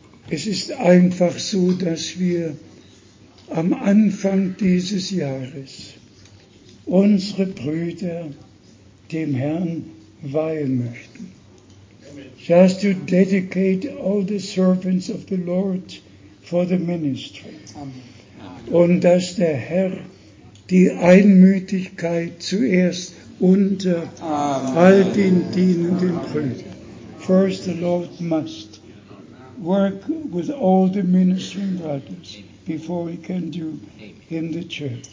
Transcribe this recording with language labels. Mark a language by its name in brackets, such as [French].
[German] Es ist einfach so, dass wir am Anfang dieses Jahres unsere Brüder dem Herrn weihen möchten. [English] Just to dedicate all the servants of the Lord for the ministry. [German] Und dass der Herr die Einmütigkeit zuerst unter all den dienenden Brüdern. [English] First the Lord must work with all the ministering brothers before he can do in the church.